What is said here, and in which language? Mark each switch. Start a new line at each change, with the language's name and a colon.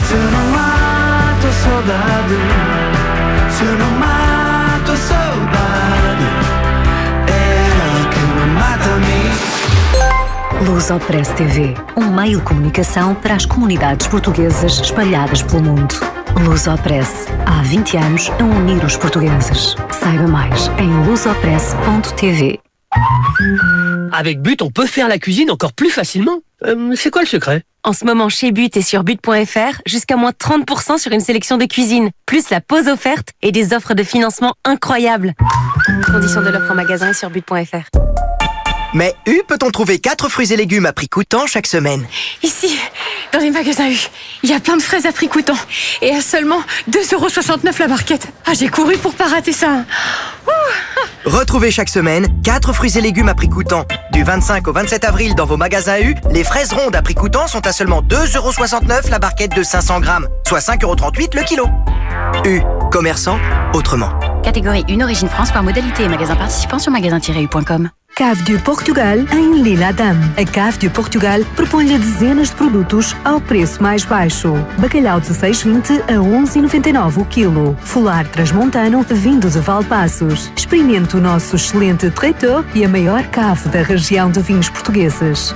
Portuguese: Se eu não mato a saudade, se eu não mato a saudade, é ela que me mata a mim. Lusopress TV, um meio de comunicação para as comunidades portuguesas espalhadas pelo mundo. Lusopress, há 20 anos a unir os portugueses. Saiba mais em lusopress.tv.
French: Avec But, on peut faire la cuisine encore plus facilement. C'est quoi le secret? En ce moment, chez But et sur But.fr, jusqu'à moins 30% sur une sélection de cuisine, plus la pause offerte et des offres de financement incroyables. Conditions de l'offre en magasin et sur But.fr. Mais U, peut-on trouver 4 fruits et légumes à prix coûtant chaque semaine? Ici, dans les magasins U, il y a plein de fraises à prix coûtant. Et à seulement 2,69€ la barquette. Ah, j'ai couru pour pas rater ça. Ouh. Retrouvez chaque semaine 4 fruits et légumes à prix coûtant. Du 25 au 27 avril dans vos magasins U, les fraises rondes à prix coûtant sont à seulement 2,69€ la barquette de 500 grammes, soit 5,38€ le kilo. U, commerçant autrement. Catégorie 1, origine France par modalité et magasin participant sur magasin-u.com.
Portuguese: Cave du Portugal em Lila Adam. A Cave du Portugal propõe-lhe dezenas de produtos ao preço mais baixo. Bacalhau 16,20 a 11,99 o quilo. Fular transmontano vindo de Valpaços. Experimente o nosso excelente traitor e a maior cave da região de vinhos portugueses.